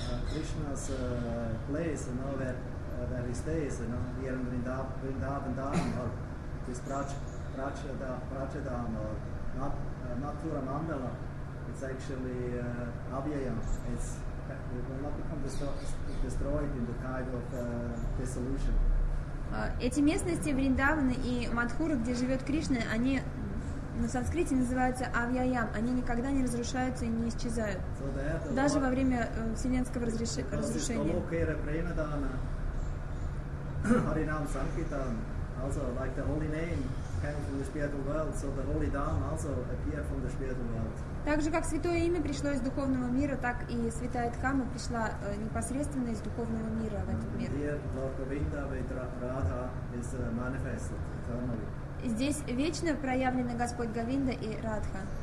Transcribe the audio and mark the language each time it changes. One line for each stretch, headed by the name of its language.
English: Krishna's place, you know, where he stays, you know, here in Vrindavan, or this Prachadam, or Mathura Mandala, it's actually Avyayam. It will not become destroyed in the tide of dissolution.
Russian: Эти местности Вриндаваны и Мадхура, где живет Кришна, они на санскрите называются Авьяям. Они никогда не разрушаются и не исчезают.
English: So
Russian: даже во время вселенского разрушения.
English: Колокера Премадана, Харинам Санкитан, also like the holy name came from the spiritual world, so the holy Dham also appeared from the spiritual world.
Russian: Так же, как святое имя пришло из духовного мира, так и святая Дхамма пришла непосредственно из духовного мира в этот мир.
English: Here, Lord Govinda with Radha is manifested eternally.
Russian: Здесь вечно проявлены Господь Говинда и Радха.